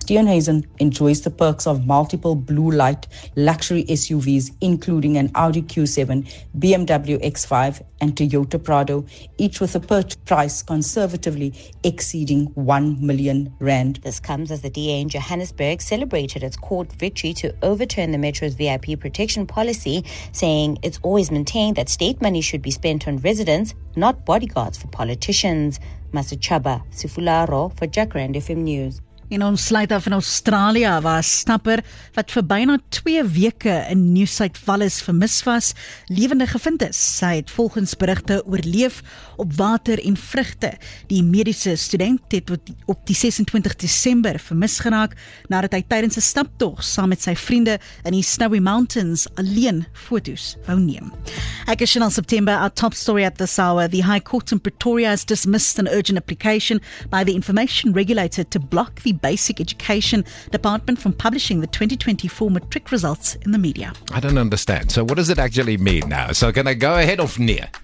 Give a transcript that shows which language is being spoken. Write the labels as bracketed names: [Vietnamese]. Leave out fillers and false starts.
[English] Steenhuisen enjoys the perks of multiple blue light luxury SUVs including an Audi Q7, BMW X5 and Toyota Prado, each with a purchase price conservatively exceeding 1 million rand. This comes as the DA in Johannesburg celebrated its court victory to overturn the metro's VIP protection policy, saying it's always maintained that state money should be spent on residents, not bodyguards for politicians. Masachaba Sifularo for Jacaranda FM News. [Afrikaans] En ons sluit af in Australië waar 'n stapper wat vir byna 2 weke in New South Wales vermis was, lewende gevind is. Sy het volgens berigte oorleef op water en vrugte. Die mediese student het op die 26 Desember vermis geraak nadat hy tydens 'n staptog saam met sy vriende in die Snowy Mountains alleen foto's wou neem. Ek is Chanel September, [English] our top story at this hour. The High Court in Pretoria has dismissed an urgent application by the information regulator to block the Basic Education Department from publishing the 2024 matric results in the media. I don't understand. So what does it actually mean now? So can I go ahead or near?